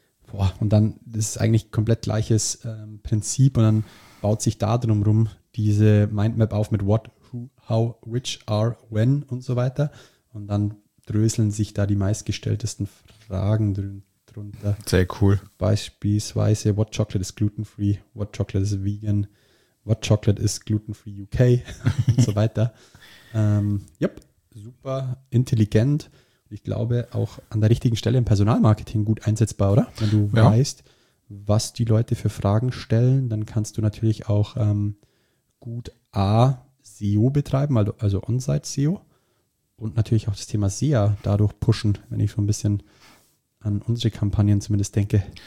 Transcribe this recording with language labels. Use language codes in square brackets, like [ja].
[de] Boah, und dann das ist eigentlich komplett gleiches Prinzip und dann baut sich da drumherum diese Mindmap auf mit What, Who, How, Which, Are, When und so weiter. Und dann dröseln sich da die meistgestelltesten Fragen drunter. Sehr cool. Beispielsweise, [en] What Chocolate is gluten-free? What Chocolate is vegan? What Chocolate is gluten-free UK? [de] und so weiter. Yep, super intelligent. Ich glaube, auch an der richtigen Stelle im Personalmarketing gut einsetzbar, oder? Wenn du ja weißt, was die Leute für Fragen stellen, dann kannst du natürlich auch gut A, SEO betreiben, also On-Site-SEO und natürlich auch das Thema SEA dadurch pushen, wenn ich so ein bisschen an unsere Kampagnen zumindest denke.